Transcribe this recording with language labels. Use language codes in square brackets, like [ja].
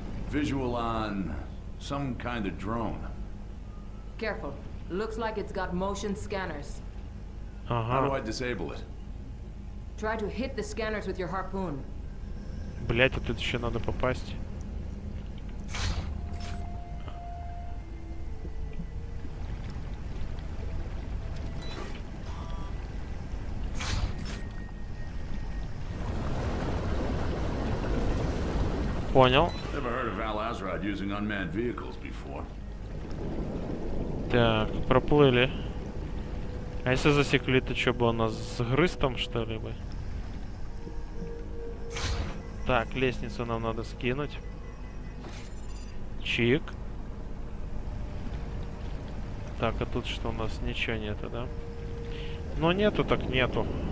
[en] Visual on some kind of drone. Careful. Looks like it's got motion scanners. [ru] Ага. [en] How do I disable it? Try to hit the scanners with your harpoon. [ru] Блять, а тут еще надо попасть. Понял. [en] Never heard of Val Azrod using unmanned vehicles before. [ru] Так, проплыли. А если засекли, то что бы он нас сгрыз там что-ли бы? Так, лестницу нам надо скинуть. Чик. Так, а тут что у нас? Ничего нету, да? Ну нету, так нету.